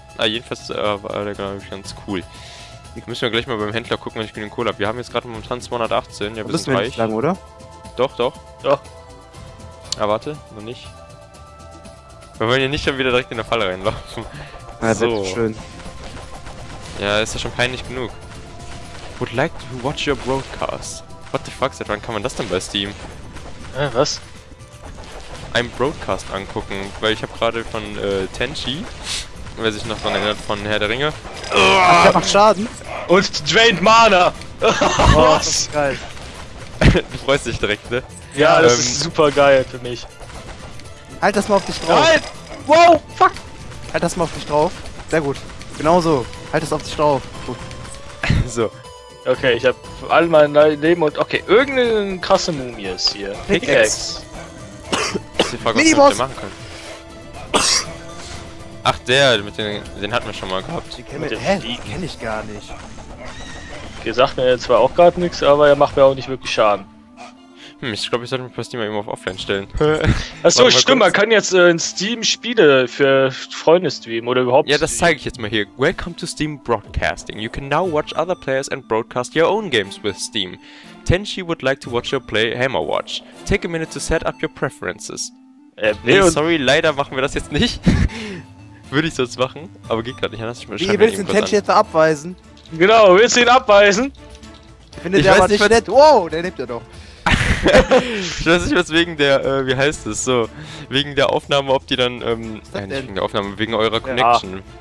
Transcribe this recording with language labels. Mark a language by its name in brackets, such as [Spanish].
[German] Ah, jedenfalls war der, glaube ich, ganz cool. Müssen wir gleich mal beim Händler gucken, wenn ich mir den Kohl habe. Wir haben jetzt gerade momentan 218, ja, wir sind reich. Lang, oder? Doch, doch. Doch. Ja, warte, noch nicht. Wir wollen ja nicht schon wieder direkt in der Falle reinlaufen. Na, so. Das ist schön. Ja, ist ja schon peinlich genug. [English] Would like to watch your broadcast. What the fuck, [German] seit wann kann man das denn bei Steam? Was? Ein Broadcast angucken, weil ich habe gerade von Tenchi, wer sich noch dran erinnert, von Herr der Ringe. Ach, der macht Schaden! Und drained Mana! Was? Oh, geil. Du freust dich direkt, ne? Ja, das ist super geil für mich. Halt das mal auf dich drauf! Nein! Wow, fuck! Halt das mal auf dich drauf. Sehr gut. Genau so. Halt es auf dich drauf. Gut. So. Okay, ich hab all mein Leben und. Okay, irgendeine krasse Mumie ist hier. [English] Pickaxe. [German] Ist die Frage, was wir machen können. Ach, der, mit den hatten wir schon mal gehabt. Den kenn ich gar nicht. Okay, sagt mir zwar auch gerade nichts, aber er macht mir auch nicht wirklich Schaden. Hm, ich glaube, ich sollte mich bei Steam mal eben auf Offline stellen. Achso, ach, stimmt, man kann jetzt in Steam Spiele für Freunde streamen oder überhaupt. Ja, das zeige ich jetzt mal hier. [English] Welcome to Steam Broadcasting. You can now watch other players and broadcast your own games with Steam. Tenchi would like to watch your play Hammerwatch. Take a minute to set up your preferences. [German] Nee, sorry, leider machen wir das jetzt nicht. Würde ich sonst machen, aber geht gerade nicht anders. Wie, willst du Tenchi jetzt abweisen? Genau, willst du ihn abweisen? Findet ich der weiß nicht, wow, der lebt ja doch. Ich weiß nicht, was wegen der, wie heißt es, so, wegen der Aufnahme, ob die dann, nein, nicht wegen der Aufnahme, wegen eurer Connection. Ja.